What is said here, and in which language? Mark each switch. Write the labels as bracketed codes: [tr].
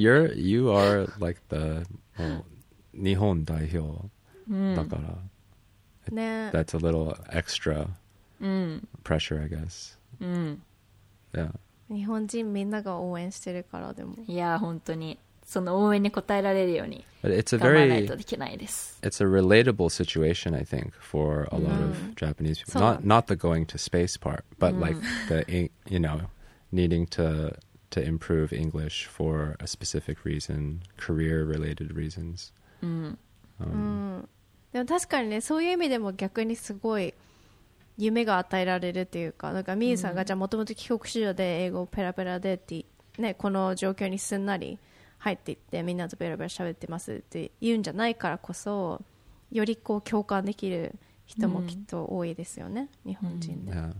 [en] And you are like the [ja] もう日本代表だから、うん、ね、 [en] That's a little extra pressure, I guess. うん、 Yeah. [ja] 日本人みんなが応援してるからでも、いや本当に。その応援に応えられるように頑張らないとできないです。 [en] It's a relatable situation I think for a lot of Japanese people. Not the going to space part, but like the, you know, needing to improve English for a specific reason, career related reasons. [ja] でも確かにね、そういう意味でも逆にすごい夢が与えられるっていうか、なんかみーさんがじゃあもともと帰国子女で英語ペラペラでってね、この状況にすんなり入っていってみんなとベラベラ喋ってますって言うんじゃないからこそ、よりこう共感できる人もきっと多いですよね、日本人で。